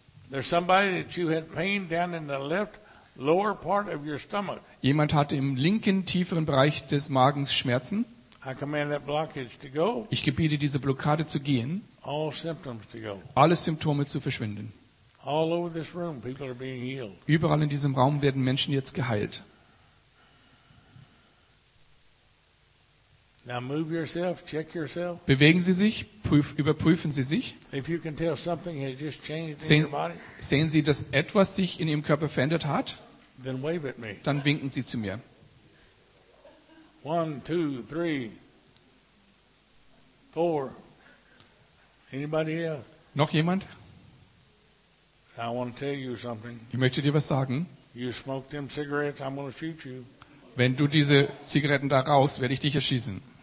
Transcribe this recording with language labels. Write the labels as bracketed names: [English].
[English] There's somebody that you had pain down in the left lower part of your stomach. [German] Jemand hatte im linken tieferen Bereich des Magens Schmerzen. [English] I command that blockage to go. [German] Ich gebiete diese Blockade zu gehen. [English] All symptoms to go. [German] Alle Symptome zu verschwinden. [English] All over this room, people are being healed. [German] Überall in diesem Raum werden Menschen jetzt geheilt. [English] Now move yourself, check yourself. [German] Bewegen Sie sich, überprüfen Sie sich. [English] If you can tell something has just changed in your body, [German] sehen Sie, dass etwas sich in Ihrem Körper verändert hat? [English] Then wave at me. [German] Dann winken Sie zu mir. [English] One, two, three, four. Anybody else? [German] Noch jemand? [English] I want to tell you something. [German] Ich möchte dir was sagen. [English] You smoke them cigarettes, I'm going to shoot you. [German] Wenn du diese Zigaretten da rauchst, werde ich dich erschießen.